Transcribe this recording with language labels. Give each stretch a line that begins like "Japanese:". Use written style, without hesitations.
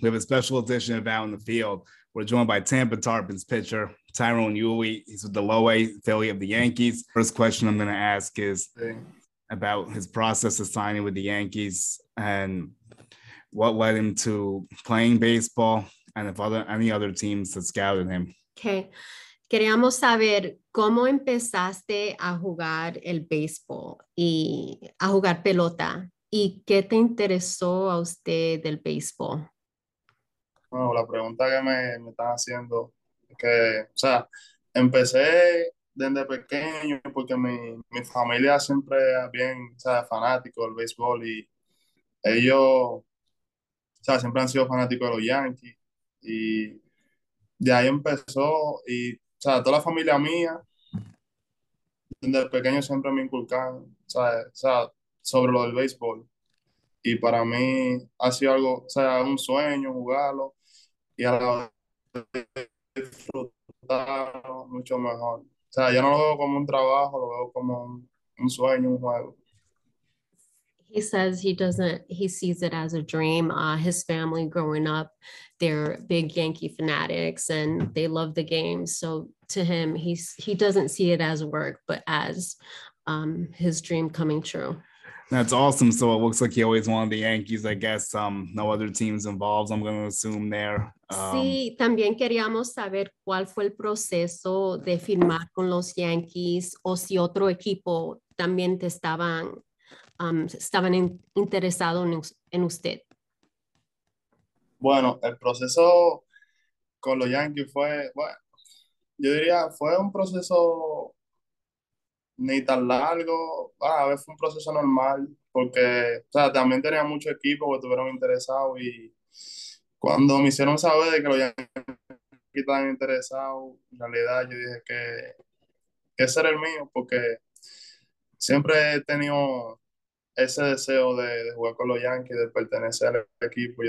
English: We have a special edition of Out in the Field. We're joined by Tampa Tarpons pitcher Tyrone Yuli. He's with the low A Philly of the Yankees. First question I'm going to ask is about his process of signing with the Yankees and what led him to playing baseball, and if other any other teams that scouted him. Okay.
Spanish: Queríamos saber cómo empezaste a jugar el béisbol y a jugar pelota. ¿Y qué te interesó a usted del béisbol? Bueno, la pregunta que me están haciendo es que, o sea, empecé desde pequeño porque mi familia siempre es bien, o sea, fanático del béisbol y ellos, o sea, siempre han sido fanáticos de los Yankees y de ahí empezó y, o sea, toda la familia mía desde pequeño siempre me inculcaron, o sea, sobre lo del béisbol. Y para mí ha sido algo, o sea, un sueño jugarlo y a la vez disfrutarlo mucho mejor. O sea, ya no lo veo como un trabajo, lo veo como un sueño, un juego.
English: He says he sees it as a dream. His family growing up, they're big Yankee fanatics and they love the game. So to him, he doesn't see it as work, but as his dream coming true. That's awesome. So it looks like he always wanted the Yankees, I guess. No other teams involved, I'm going to assume there.
Spanish: Sí, también queríamos saber cuál fue el proceso de firmar con los Yankees o si otro equipo también te estaban estaban interesados en usted. Bueno, el proceso con los Yankees fue, bueno, yo diría fue un proceso ni tan largo, a veces fue un proceso normal, porque, o sea, también tenía muchos equipos que estuvieron interesados y cuando me hicieron saber de que los Yankees estaban interesados, en realidad yo dije que ese era el mío, porque siempre he tenido ese deseo de jugar con los Yankees, de pertenecer al equipo.